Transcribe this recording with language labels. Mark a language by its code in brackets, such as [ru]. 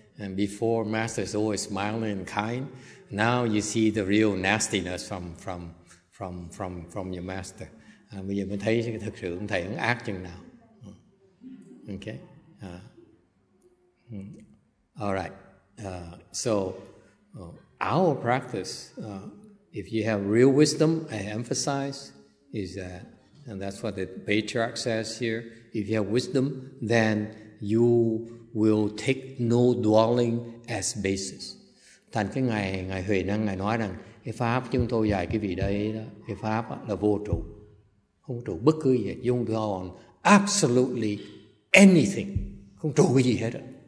[en] And before, Master is always smiling and kind. Now you see the real nastiness from your Master. [vi] Bây giờ mới thấy thực sự thầy cũng ác chừng nào. [en] Okay. All right. So our practice if you have real wisdom, I emphasize, is that, and that's what the patriarch says here, if you have wisdom, then you will take no dwelling as basis. [vi] Thành cái ngày ngày Huệ Năng ngài nói rằng cái pháp chúng tôi dạy cái vị đây đó, cái pháp là vô trụ, không trụ bất cứ gì hết, [en] you don't dwell on absolutely anything, [vi] không trụ cái gì hết đó.